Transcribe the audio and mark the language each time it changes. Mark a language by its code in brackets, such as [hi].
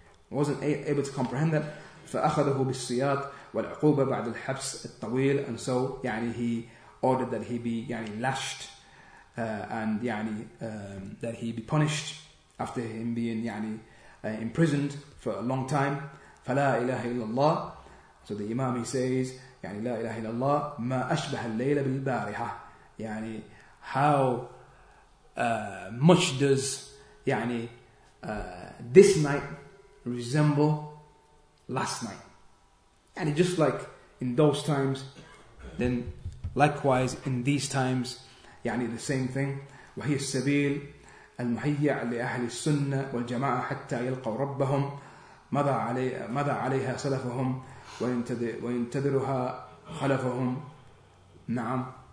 [ar] فَأَخَذَهُ بِالسِّيَاطِ وَالْعُقُوبَ بَعْدَ الْحَبْسِ الطَّوِيلِ. [en] And so [ar] يعني [en] he ordered that he be يعني lashed, and يعني that he be punished after him being يعني imprisoned for a long time. [ar] فَلَا إِلَهَ إِلَّا اللَّهِ. [en] So the Imam, he says, [ar] يعني لا إله إلا الله ما أشبه الليلة بالبارحة. يعني [en] how much does يعني this night resemble last night. And just like in those times, then likewise in these times, [ar] يعني [en] the same thing. [ar] وهي السبيل المهيع لأهل السنة والجماعة حتى يلقوا ربهم مضى عليها سلفهم وينتظرها خلفهم. نعم.